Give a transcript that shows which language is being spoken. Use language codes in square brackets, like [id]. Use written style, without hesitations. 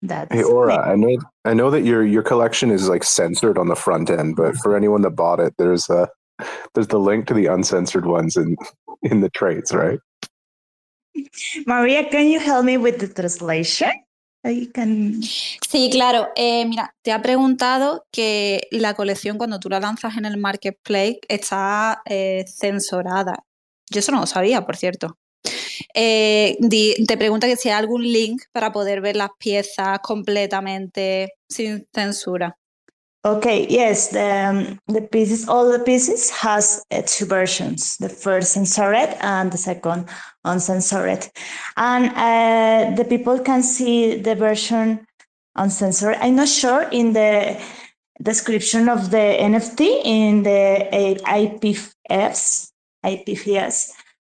[en] Hey, Aura, I know that your collection is like censored on the front end, but for anyone that bought it, there's the link to the uncensored ones in the traits, right? Maria, can you help me with the translation? [es] Sí, claro. Mira, te ha preguntado que la colección cuando tú la lanzas en el marketplace está censurada. Yo eso no lo sabía, por cierto. Te pregunta que si hay algún link para poder ver las piezas completamente sin censura. [en] Okay, yes. The pieces, all the pieces has two versions. The first censored and the second uncensored. And the people can see the version uncensored. I'm not sure in the description of the NFT in the IPFS.